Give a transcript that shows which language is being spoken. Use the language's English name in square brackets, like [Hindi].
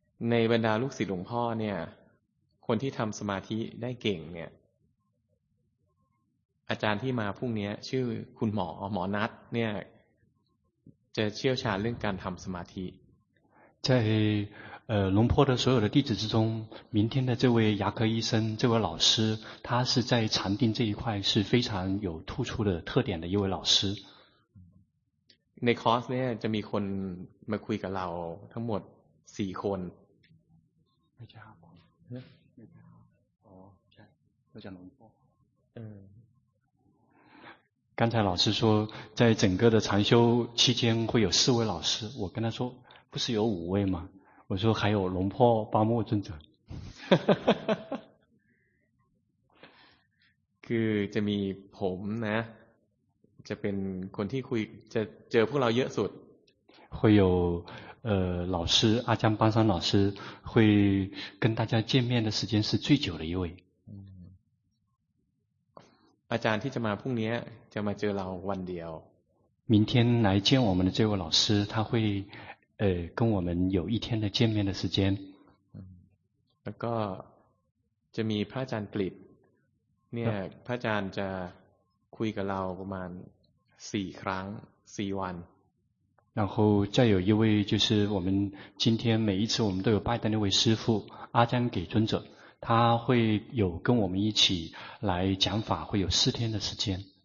[Thai] ในบรรดาลูกศิษย์หลวงพ่อเนี่ยคนที่ทำสมาธิได้เก่งเนี่ยอาจารย์ที่มาพรุ่งนี้ชื่อคุณหมอหมอนัทเนี่ยจะเชี่ยวชาญเรื่องการทำสมาธิ [Chinese] 在龙坡的所有的弟子之中，明天的这位牙科医生，这位老师，他是在禅定这一块是非常有突出的特点的一位老师。 [Thai] ในคอร์สเนี่ยจะมีคนมาคุยกับเราทั้งหมด4คน ไม่ใช่ครับ ไม่ใช่ครับ อ๋อ ใช่ อาจารย์หลวงพ่อ [Chinese] 刚才老师说，在整个的禅修期间会有四位老师，我跟他说，不是有五位吗？我说还有龙破八末尊者。 [Thai] คือจะมีผมนะจะเป็นคนที่คุยจะเจอพวกเราเยอะสุด [Chinese] 会有老师阿江邦山老师会跟大家见面的时间是最久的一位。 [Thai] อาจารย์ที่จะมาพรุ่งนี้จะมาเจอเราวันเดียว [Chinese] 明天来见我们的这位老师他会跟我们有一天的见面的时间 [Thai] แล้วก็จะมีพระอาจารย์กฤษเนี่ยพระอาจารย์จะคุยกับเราประมาณ4ครั้ง4วัน [Chinese] 然后再有一位就是我们今天每一次我们都有拜的那位师父阿江给尊者他会有跟我们一起来讲法会有四天的时间